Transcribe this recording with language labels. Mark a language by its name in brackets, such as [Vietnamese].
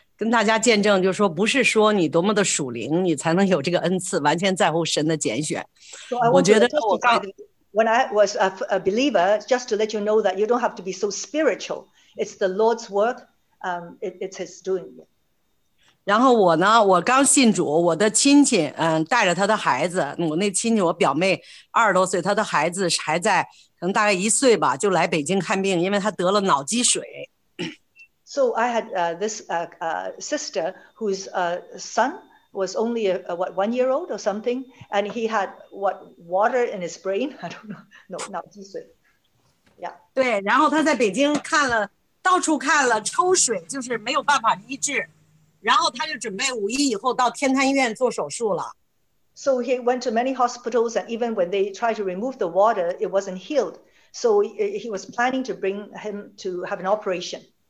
[Chinese] 跟大家见证，就是说，不是说你多么的属灵，你才能有这个恩赐。完全在乎神的拣选。我觉得我刚， [English] when I was a believer, just to let you know that you don't have to be so spiritual. It's the Lord's work. It's his doing it. [Chinese] 然后我呢，我刚信主，我的亲戚，带着他的孩子，我那亲戚，我表妹，二十多岁，他的孩子还在，可能大概一岁吧，就来北京看病，因为他得了脑积水。 So [English] I had this sister whose son was only what 1 year old or something, and he had what water in his brain? I don't know, no, 脑积水. Yeah. [Chinese] 对，然后他在北京看了，到处看了，抽水就是没有办法医治。 [English] So he went to many hospitals, and even when they tried to remove the water, it wasn't healed. So he was planning to bring him to have an operation.